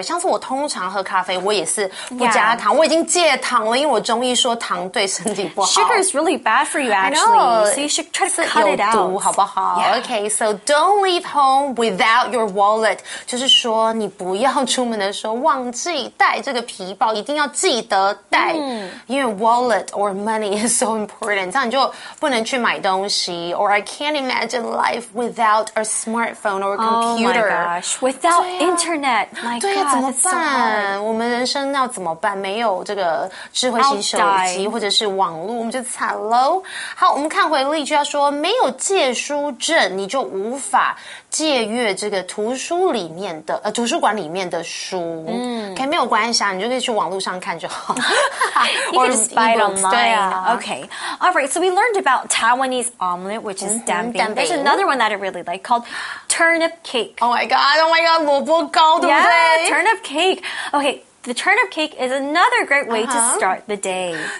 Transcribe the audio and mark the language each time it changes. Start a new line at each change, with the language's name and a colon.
Chinese: 像是我通常喝咖啡我也是不加糖、yeah. 我已经戒糖了因为我中医说糖对身体不好。
English: Sugar is really bad for you actually, so you should try to cut it out.
Chinese: 有毒好不好Yeah.
English: Okay, so don't leave home without your wallet.
Chinese: 就是说你不要出门的时候忘记带这个皮包一定要记得带、mm. 因为
English: wallet or money is so important.
Chinese: 这样你就不能去买东西
English: Or I can't imagine life without a smartphone or a computer. Oh my gosh, without internet. My
Chinese: 对呀、啊、怎么办、
English: so、
Chinese: 我们人生要怎么办没有这个智慧型手机或者是网络我们就惨咯。好我们看回例句要说没有借书书证，你就无法借阅这个图书里面的图书馆里面的书。嗯、mm. ，OK， 没有关系啊，你就可以去网络上看就好。
English: you can just buy it online.
Chinese: 对啊
English: ，Okay. All right. So we learned about Taiwanese omelet, which is dumpling. There's another one that I really like called turnip cake. Oh my god! Oh my god!
Chinese: 萝卜糕，对不对
English: ？Yeah, turnip cake. Okay. The turnip cake is another great way、uh-huh. to start the day.